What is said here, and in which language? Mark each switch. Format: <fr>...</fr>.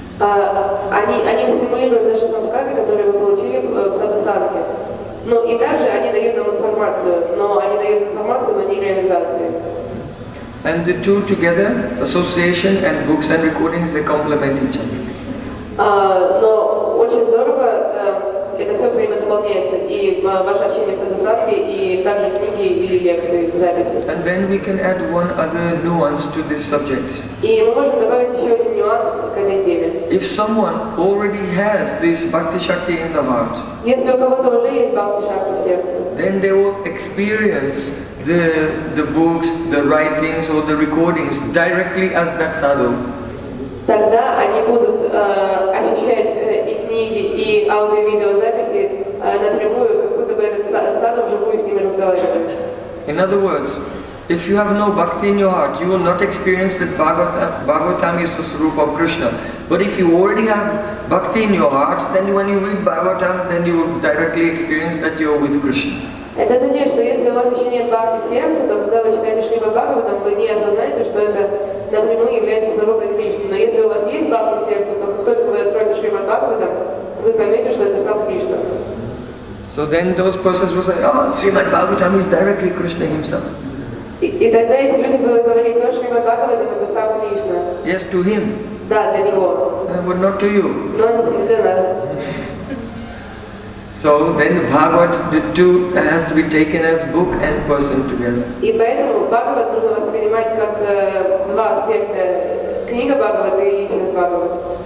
<ru>Они стимулируют наши самскары, которые мы получили в sadhu sangha. Ну и также они дают нам информацию, но они дают информацию, но не реализации.</ru> <en>And the two together, association and books and recordings, they complement each other.</en> <ru>Но очень здорово это все взаимодополняется, и ваше общение с садхусадхой, и также книги и лекции, записи.</ru> <en>And then we can add one other nuance to this subject.</en> <ru>И мы можем добавить еще один нюанс к этой теме.</ru> <en>If someone already has this bhakti-shakti in the heart,</en> <ru>если у кого-то уже есть бхакти-шакти в сердце,</ru> <en>then they will experience the books, the writings or the recordings directly as that sadhu.</en> <ru>Тогда они будут ощущать и книги, и аудио- и видеозаписи напрямую, как будто бы этот садху вживую с ними разговаривает.</ru> <en>In other words, if you have no bhakti in your heart, you will not experience that Bhagavatam is the Swarupa of Krishna. But if you already have bhakti in your heart, then when you read Bhagavatam, then you will directly experience that you are with Krishna.</en> <ru>Это значит, что если у вас еще нет бхакти в сердце, то когда вы читаете Шримад-Бхагаватам, вы не осознаете, что это напрямую является Сварупой Кришны. Но если у вас есть бхакти в сердце, то как только вы откроете Шримад-Бхагаватам, вы поймете, что это сам Кришна.</ru> <en>So then those persons will say, oh, Шримад-Бхагаватам is directly Krishna himself.</en> <ru>И тогда эти люди будут говорить, о, Шримад-Бхагаватам это сам Кришна.</ru> <en>Yes, to him.</en> <ru>Да, для него.</ru> <en>But not to you.</en> <ru>Но не для нас.</ru> <en>So then Bhagavat, the two has to be taken as book and person together.</en> <ru>И поэтому Бхагават нужно воспринимать как два аспекта: книга Бхагавата и личность Бхагавата.</ru>